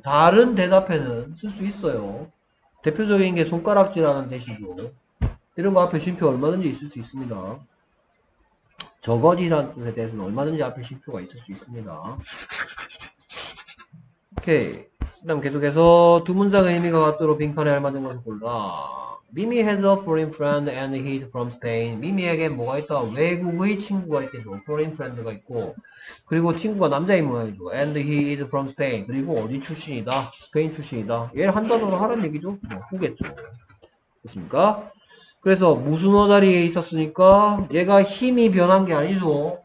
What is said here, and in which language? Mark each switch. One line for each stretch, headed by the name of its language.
Korean: 다른 대답에는 쓸수 있어요. 대표적인 게 손가락질하는 대시죠. 이런 거 앞에 쉼표 얼마든지 있을 수 있습니다. 저것이란 뜻에 대해서는 얼마든지 앞에 쉼표가 있을 수 있습니다. 오케이. 그다음 계속해서 두 문장의 의미가 같도록 빈칸에 알맞은 것을 골라.
English: Mimi has a foreign friend and he's from Spain.
Korean: Mimi에게 뭐가 있다? 외국의 친구가 있겠죠. Foreign friend가 있고. 그리고 친구가 남자인 모양이죠.
English: And he is from Spain.
Korean: 그리고 어디 출신이다? 스페인 출신이다. 얘를 한 단어로 하라는 얘기죠. 뭐, 후겠죠. 그렇습니까? 그래서 무슨 어자리에 있었으니까 얘가 힘이 변한 게 아니죠.